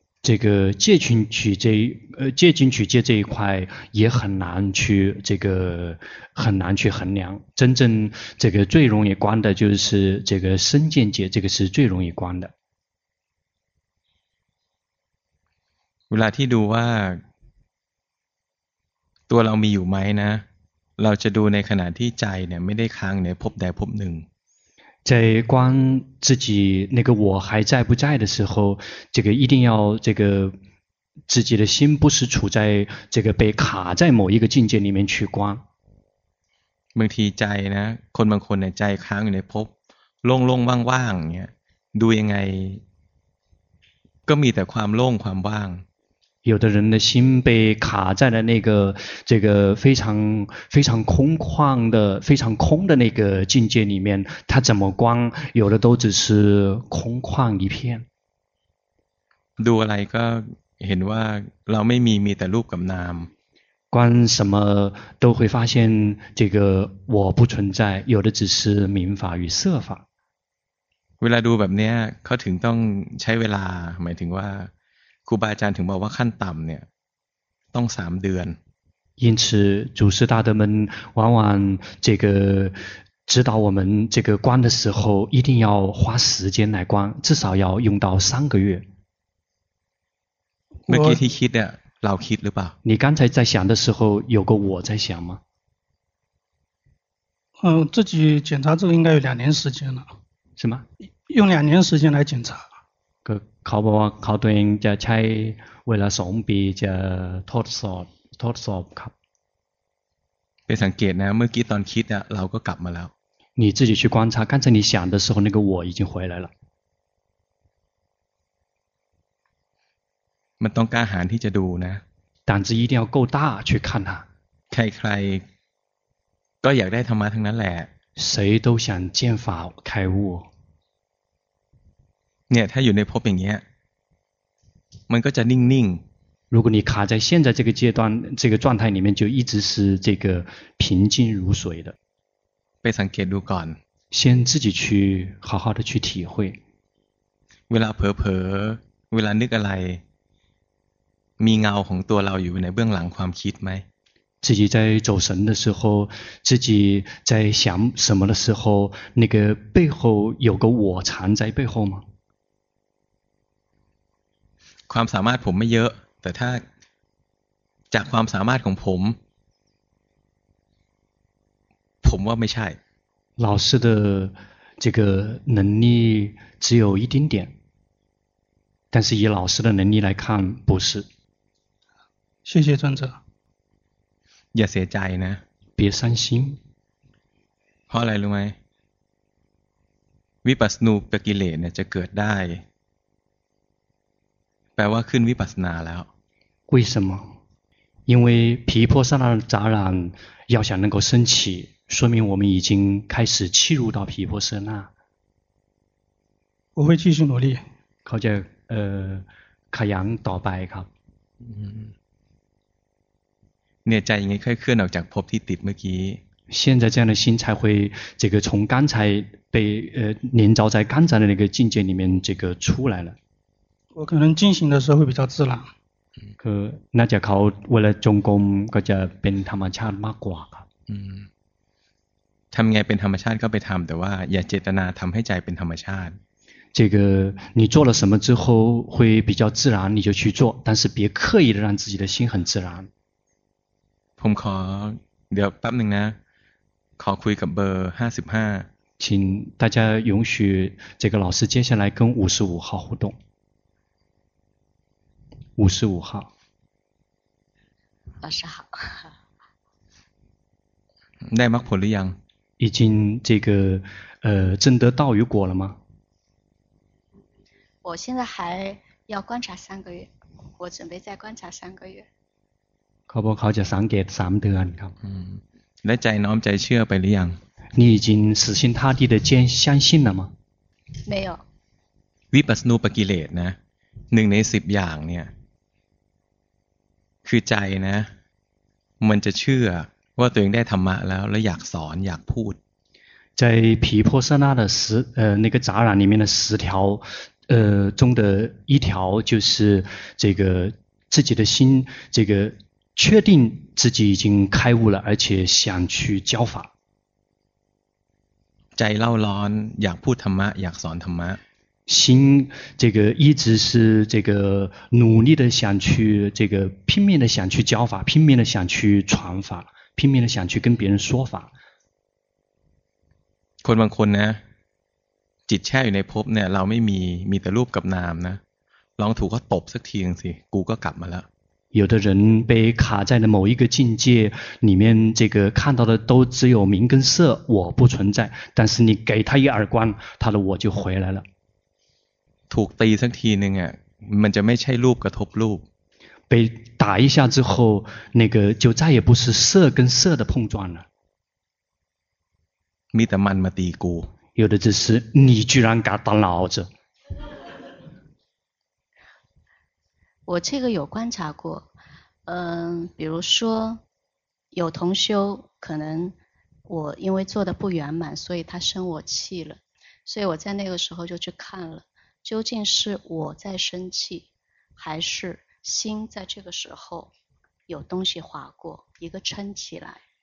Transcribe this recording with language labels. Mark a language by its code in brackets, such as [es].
[zh] 这个戒禁取戒戒禁取戒这一块也很难去这个很难去衡量真正这个最容易观的就是这个身见戒这个是最容易观的 [th] เวลาที่ดูว่าตัวเรามีอยู่ไหมนะเราจะดูในขณะที่ใจเนี่ยไม่ได้ค้างในภพใดภพหนึ่ง [zh] 在观自己那个我还在不在的时候，这个一定要这个自己的心不是处在这个被卡在某一个境界里面去观。 [th] บางทีใจนะคนบางคนเนี่ยใจค้างอยู่ในภพโล่งๆว่างๆอย่างเงี้ยดูยังไงก็มีแต่ความโล่งความว่าง [zh] 有的人的心被卡在了那个这个非常空旷的非常空的那个境界里面他怎么观有的都只是空旷一片 [th] ดูอะไรก็เห็นว่าเราไม่มีมีแต่รูปกับนาม [zh] 观什么都会发现这个我不存在有的只是名法与色法 [th] เวลาดูแบบเนี้ยเขาถึงต้องใช้เวลาหมายถึงว่าครูบาอาจารย์ถึงบอกว่าขั้นต่ำเนี่ยต้องสามเดือน [zh] 因此祖师大德们往往这个指导我们这个观的时候一定要花时间来观至少要用到三个月 [th] เมื่อกี้ที่คิดเนี่ยเราคิดหรือเปล่า [zh] 你刚才在想的时候有个我在想吗自己检查这个应该有两年时间了什么用两年时间来检查 [th] ก็เขาบอกว่าเขาตัวเองจะใช้เวลาสองปีจะทดสอบครับ ไปสังเกตนะเมื่อกี้ตอนคิดเนี่ยเราก็กลับมาแล้ว [zh] 你自己去观察刚才你想的时候那个我已经回来了 [th] มันต้องกล้าหาญที่จะดูนะ [zh] 胆子一定要够大去看它 [th] ใครๆก็อยากได้ธรรมะทั้งนั้นแหละ [zh] 谁都想见法开悟 [th] เนี่ยถ้าอยู่ในภพอย่างเงี้ยมันก็จะนิ่ง [zh] ๆ如果你卡在现在这个阶段这个状态里面就一直是这个平静如水的 [th] ไปสังเกตดูก่อน [zh] 先自己去好好的去体会 [th] เวลาเผลอๆเวลานึกอะไรมีเงาของตัวเราอยู่ในเบื้องหลังความคิดไหม [zh] 自己在走神的时候自己在想什么的时候那个背后有个我藏在背后吗 [th] ความสามารถผมไม่เยอะแต่ถ้าจากความสามารถของผมผมว่าไม่ใช่ [zh] 老师的这个能力只有一丁点但是以老师的能力来看不是谢谢尊者 [th] อย่าเสียใจนะ [zh] 别伤心 [th] เพราะอะไรรู้ไหมวิปัสสนูปกิเลสเนี่ยจะเกิดได้แปลว่าขึ้นวิปัสสนาแล้ว [zh] 为什么因为毗婆舍那杂染要想能够升起说明我们已经开始契入到毗婆舍那我会继续努力 [th] เขาจะขยันต่อไปครับ เนี่ยใจยังไงค่อยเคลื่อนออกจากภพที่ติดเมื่อกี้ [zh] 现在这样的心才会这个从刚才被粘着在刚才的那个境界里面这个出来了我可能进行的时候会比较自然可那就靠为了中共 [th] ก็จะเป็นธรรมชาติมากกว่าครับ ทำไงเป็นธรรมชาติก็ไปทำแต่ว่าอย่าเจตนาทำให้ใจเป็นธรรมชาติ [zh] 这个你做了什么之后会比较自然你就去做但是别刻意的让自己的心很自然 [th] ผมขอเดี๋ยวแป๊บนึงนะขอคุยกับเบอร์55 [zh] 请大家允许这个老师接下来跟55号互动 55号。老师好。 [th] ได้มรรคผลหรือยัง？ [zh] 已经这个证得道与果了吗？我现在还要观察三个月，我准备再观察三个月。可不可以 [th] สังเกต3เดือนครับ？ ได้ใจน้อมใจเชื่อไปหรือยัง？ [zh] 你已经死心塌地的坚相信了吗？没有。 [th] วิปัสสนูปกิเลสนะ1ใน10อย่างเนี่ยคือใจนะมันจะเชื่อว่าตัวเองได้ธรรมะแล้วแล้วอยากสอนอยากพูด ใจผีโพสนาเดส [zh] 那个杂染里面的十条中的一条就是这个自己的心这个确定自己已经开悟了而且想去教法 [th] ใจเล่าร้อนอยากพูดธรรมะอยากสอนธรรมะ [zh] 心这个一直是这个努力的想去这个拼命的想去教法拼命的想去传法拼命的想去跟别人说法 [th] คนบางคนนะจิตแช่อยู่ในภพเนี่ยเราไม่มีมีแต่รูปกับนามนะลองถูกเขาตบสักทีนึงสิกูก็กลับมาแล้ว [zh] 有的人被卡在了某一个境界里面这个看到的都只有名跟色我不存在但是你给他一耳光他的我就回来了 [th] ถูกตีสักทีนึงอ่ะมันจะไม่ใช่รูปกระทบรูป [zh] 被打一下之后那个就再也不是色跟色的碰撞了 [th] มีแต่มันมาตีกู [zh] 有的只是你居然敢打老子我这个有观察过比如说有同修可能我因为做的不圆满所以他生我气了所以我在那个时候就去看了究竟是我在生气还是心在这个时候有东西划过一个撑起来